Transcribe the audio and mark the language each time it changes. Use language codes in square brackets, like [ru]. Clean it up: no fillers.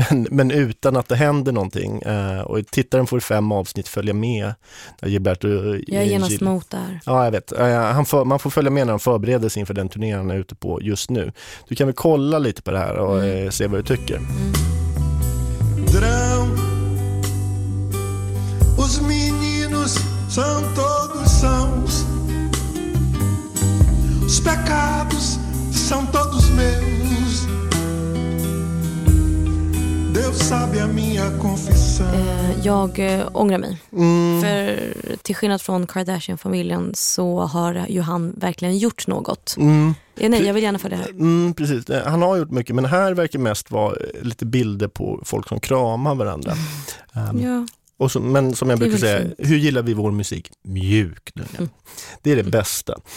[sv] Men utan att det händer någonting. Och tittaren får 5 avsnitt följa med när Gilberto Gil... Jag är genast mot där. Ja, jag vet. Man får följa med när han förbereder sig inför den turnén han är ute på just nu. Du kan väl kolla lite på det här och se vad du tycker. Dröm. [pt] Os meninos são todos sãos. Os pecados são todos meus. Deus sabe a minha confissão. [sv] Jag ångrar mig. Mm. För till skillnad från Kardashian-familjen så har Johan verkligen gjort något. Ja, nej, jag vill gärna för det här. Precis. Han har gjort mycket, men här verkar mest vara lite bilder på folk som kramar varandra. Ja. Och så, men som jag brukar säga, hur gillar vi vår musik? Mjuk. Det är det bästa.